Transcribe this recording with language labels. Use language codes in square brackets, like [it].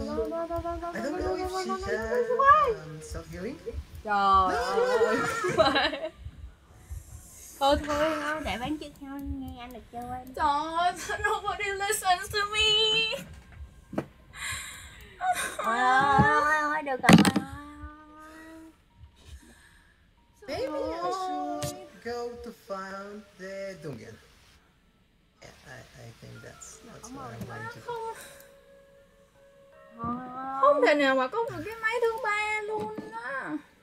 [en] I don't know if she has self-healing. [vi] Trời ơi. Thôi thôi, để bán chiếc nhau nghe anh được chưa anh? Trời ơi, [en] nobody listens to me. [vi] Ôi, được rồi. [en] Maybe I should go to find the dungeon. Yeah, I think that's what I'm going to do. [vi] Không thể nào mà có một cái máy thứ ba luôn á.